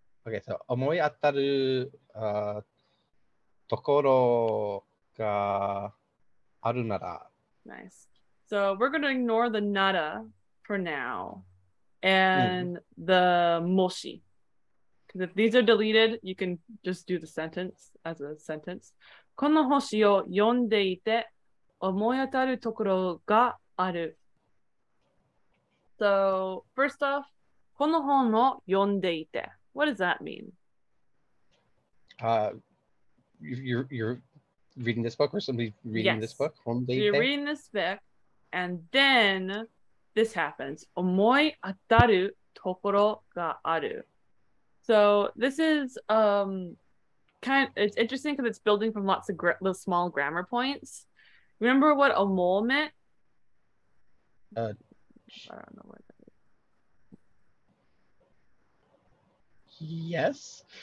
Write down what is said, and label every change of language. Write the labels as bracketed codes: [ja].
[en] Okay, so [ja] 思い当たるところがあるなら. [en] Nice. So we're going to ignore the nada for now and the moshi. Because if these are deleted, you can just do the sentence as a sentence. [ja] この星を読んでいて思い当たるところがある。 [en] So, first off, [ja] この本を読んでいて。 [en] What does that mean? You're reading this book or somebody's reading this book? So you're reading this book and then this happens. [ja] 思い当たるところがある。 [en] So, this is... it's interesting because it's building from lots of little small grammar points. Remember what omol meant? I don't know what that is. Yes.